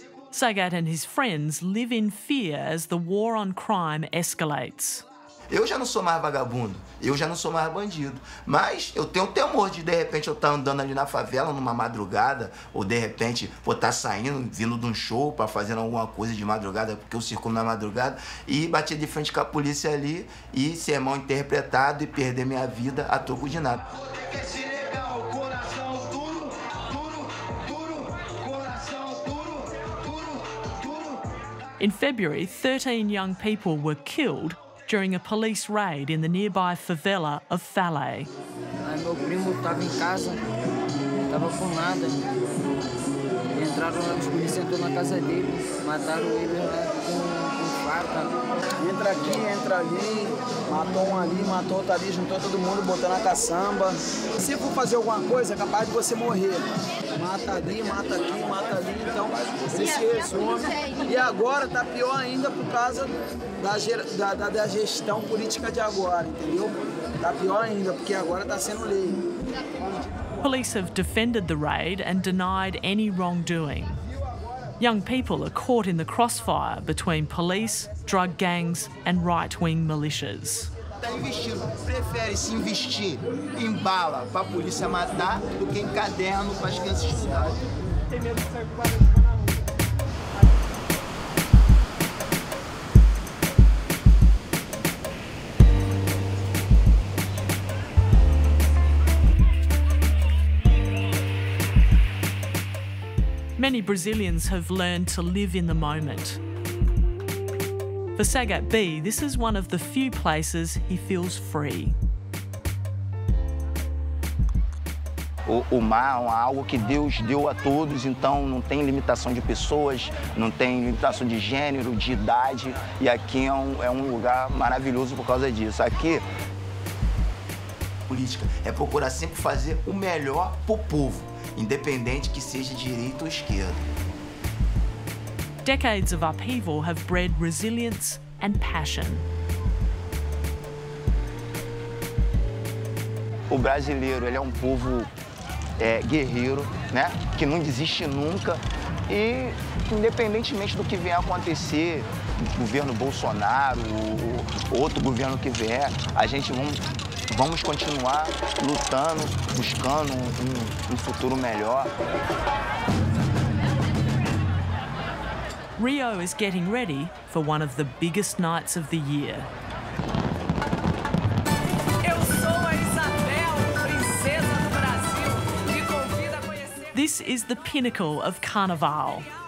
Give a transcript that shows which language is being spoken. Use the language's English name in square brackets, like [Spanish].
[English] Sagat and his friends live in fear as the war on crime escalates. [Portuguese] Eu já não sou mais vagabundo, eu já não sou mais bandido, mas eu tenho temor de repente eu estar andando ali na favela numa madrugada, ou de repente vou estar saindo, vindo de um show para fazer alguma coisa de madrugada, porque eu circulo na madrugada, e bater de frente com a polícia ali e ser mal interpretado e perder minha vida a troco de nada. [English] In February, 13 young people were killed during a police raid in the nearby favela of Fale. [Portuguese] Aí meu primo estava em casa, estava com nada. Entraram lá os policiais, entrou na casa dele, mataram ele com faca. Entra aqui, entra ali, matou um ali, matou outro ali, juntou todo mundo, botou na caçamba. Se for fazer alguma coisa, é capaz de você morrer. Mata ali, mata aqui, mata ali, então você se resume. E agora tá pior ainda por causa da gestão política de agora, entendeu? Tá pior ainda, porque agora tá sendo lei. [English] Police have defended the raid and denied any wrongdoing. Young people are caught in the crossfire between police, drug gangs and right-wing militias. [Portuguese] Tá investindo, prefere se investir em bala pra polícia matar do que em caderno pra as crianças estudarem. [English] Many Brazilians have learned to live in the moment. For Sagat B, this is one of the few places he feels free. [Portuguese] O mar é algo que Deus deu a todos, então não tem limitação de pessoas, não tem limitação de gênero, de idade, e aqui é um lugar maravilhoso por causa disso. Aqui, política é procurar sempre fazer o melhor pro povo. Independente que seja direita ou esquerda. [English] Decades of upheaval have bred resilience and passion. [Portuguese] O brasileiro, ele é um povo guerreiro, né? Que não desiste nunca. E independentemente do que venha a acontecer, governo Bolsonaro, ou outro governo que vier, a gente vamos continuar lutando, buscando um futuro melhor. [English] Rio is getting ready for one of the biggest nights of the year. [Portuguese] Eu sou a Isabel, princesa do Brasil. Me convida a conhecer. [English] This is the pinnacle of carnival.